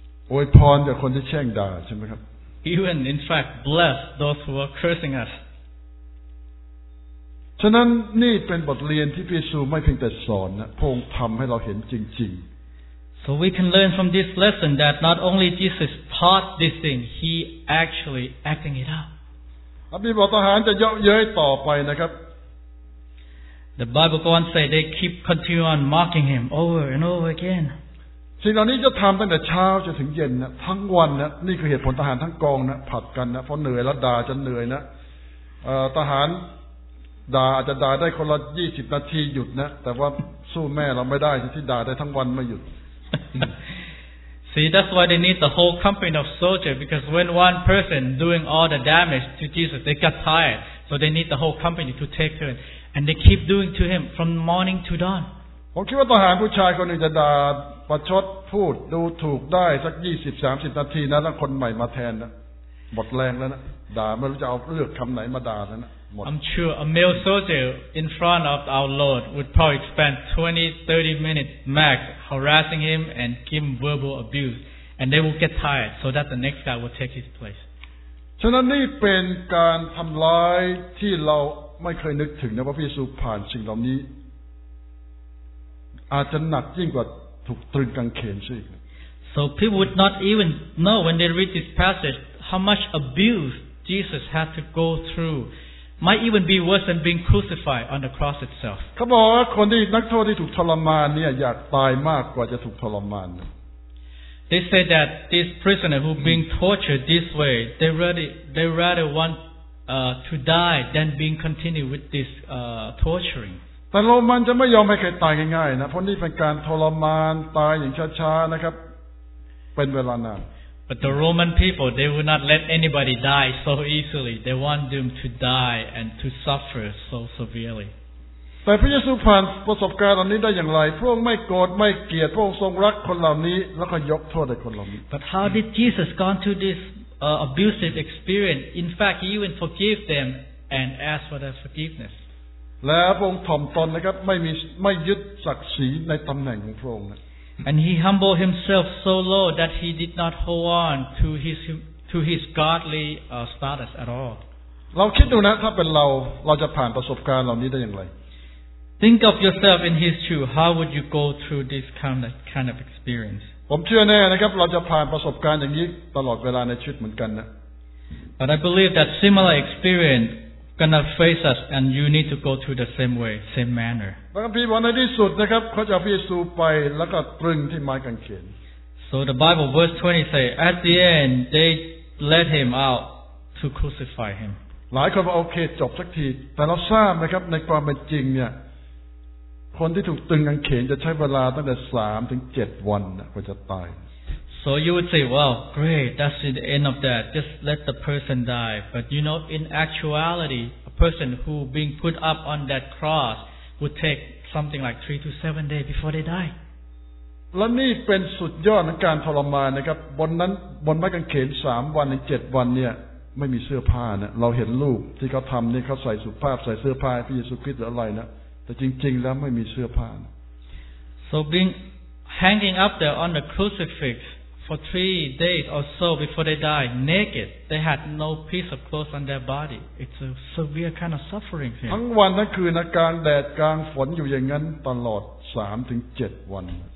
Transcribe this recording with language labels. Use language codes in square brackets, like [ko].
[th] อวยพรกับคนที่แช่งด่าใช่ไหมครับ [en] Even in fact bless those who are cursing us [th] ฉะนั้นนี่เป็นบทเรียนที่พระเยซูไม่เพียงแต่สอนนะพระองค์ทำให้เราเห็นจริง [en] ๆ So we can learn from this lesson that not only Jesus taught this thing he actually acting it out [th] พระบิดาทหารจะเยาะเย้ยต่อไปนะครับ [en] The Bible goes on say they keep continue on mocking him over and over again [th] สิ่งเหล่านี้จะทำตั้งแต่เช้าจนถึงเย็นนะทั้งวันนะนี่คือเหตุผลทหารทั้งกองนะผัดกันนะเพราะเหนื่อยแล้วด่าจะเหนื่อยนะทหารด่าอาจจะด่าได้คนละ20นาทีหยุดนะแต่ว่าสู้แม่เราไม่ได้ที่ด่าได้ทั้งวันไม่หยุด [en] See that's why they need the whole company of soldiers because when one person doing all the damage to Jesus they got tired so they need the whole company to take turn and they keep doing to him from morning to dawn [th] ผมคิดว่าทหารผู้ชายคนหนึ่งจะด่าประชดพูดดูถูกได้สัก 20-30 นาทีนะแล้วคนใหม่มาแทนนะหมดแรงแล้วนะด่าไม่รู้จะเอาเลือกคำไหนมาด่าแล้วนะ [en] I'm sure a male soldier in front of our Lord would probably spend 20-30 minutes max harassing him and giving verbal abuse and they will get tired so that the next guy will take his place [th] ฉะนั้นนี่เป็นการทำร้ายที่เราไม่เคยนึกถึงนะพระเยซูผ่านสิ่งเหล่านี้อาจจะหนักยิ่งกว่าถูกตรึงกางเขนซะอีก [en] So people would not even know when they read this passage how much abuse Jesus had to go throughmight even be worse than being crucified on the cross itself. [th] เขาบอกว่าคนที่นักโทษที่ถูกทรมานเนี่ยอยากตายมากกว่าจะถูกทรมาน [en] They say that these prisoners who being tortured this way, they rather want to die than being continued with this torturing. [th] แต่โรมันจะไม่ยอมให้ใครตายง่ายๆนะเพราะนี่เป็นการทรมานตายอย่างช้าๆนะครับเป็นเวลานาน [en] But the Roman people, they would not let anybody die so easily. They want them to die and to suffer so severely. [th] แต่พระเยซูผ่านประสบการณ์เหล่านี้ได้อย่างไรพระองค์ไม่โกรธไม่เกลียดพระองค์ทรงรักคนเหล่านี้แล้วก็ยกโทษให้คนเหล่านี้ [en] But how did Jesus gone through this abusive experience? In fact, he even forgave them and asked for their forgiveness. [th] และพระองค์ถ่อมตนนะครับไม่ยึดศักดิ์ศรีในตำแหน่งของพระองค์ [en] And he humbled himself so low that he did not hold on to his godly status at all. [th] เราคิดดูนะถ้าเป็นเราจะผ่านประสบการณ์เหล่านี้ได้อย่างไร [en] Think of yourself in his shoes. How would you go through this kind of experience? [th] ผมเชื่อแน่นะครับเราจะผ่านประสบการณ์อย่างนี้ตลอดเวลาในชีวิตเหมือนกันนะ [en] But I believe that similar experience gonna face us, and you need to go through the same way, same manner. [th] บางทีวันในที่สุดนะครับเขาจะพระเยซูไปแล้วก็ตรึงที่ไม้กางเขน [en] So the Bible verse 20 say at the end they let him out to crucify him [th] หลายคนบอกโอเคจบสักทีแต่เราทราบนะครับในความเป็นจริงเนี่ยคนที่ถูกตรึงกางเขนจะใช้เวลาตั้งแต่3ถึง7วันกว่าจะตาย [en] So you would say well great that's the end of that just let the person die but you know in actuality a person who being put up on that crosswould take something like 3-7 days before they die. [th] และนี่เป็นสุดยอดในการทรมานนะครับบนนั้นบนไม้กางเขน3วันถึง7วันเนี่ยไม่มีเสื้อผ้านะเราเห็นรูปที่เขาทำนี่เขาใส่สุภาพใส่เสื้อผ้าพระเยซูคริสต์หรืออะไรนะแต่จริงๆแล้วไม่มีเสื้อผ้า [en] So being hanging up there on the crucifix for 3 days or so before they die naked they had no piece of clothes on their body it's a severe kind of suffering [th] ทั้งวันทั้งคืนกลางแดดกลางฝนอยู่อย่างนั้นตลอด 3-7 วัน